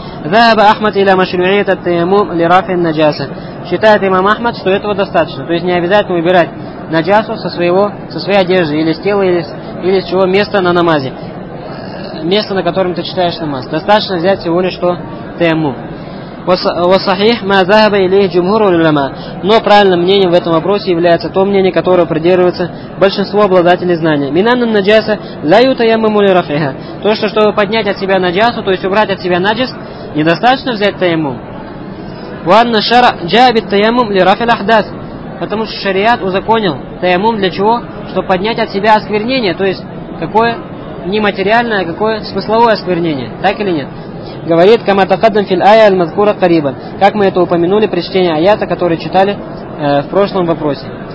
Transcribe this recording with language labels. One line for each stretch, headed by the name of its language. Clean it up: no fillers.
Arabic: Захаба Ахмад иля машрюиат ат таяммум ли рафин наджаса.
Russian: Считает имам Ахмад, что этого достаточно. То есть, не обязательно убирать наджасу со своей одежды, или с тела, или с чего места на намазе. Место, на котором ты читаешь намаз. Достаточно взять всего лишь что? Таяммум.
Arabic: وصحيح ما ذهب إليه جمهور العلماء.
Russian: Но правильным мнением в этом вопросе является то мнение, которое придерживается большинство обладателей знания.
Arabic: من أن النجاسة لا يتيمم لرفعها.
Russian: То, что чтобы поднять от себя наджасу, то есть убрать от себя наджас, недостаточно взять таяммум.
Arabic: وأن الشرع جاء بالتيمم لرفع الأحداث.
Russian: Потому что шариат узаконил таяммум для чего? Чтобы поднять от себя осквернение. То есть какое? Не материальное, а какое смысловое осквернение. Так или нет? Говорит Каматахаддам Фил Ая Аль-Мазкура Кариба. Как мы это упомянули при чтении аята, который читали в прошлом вопросе.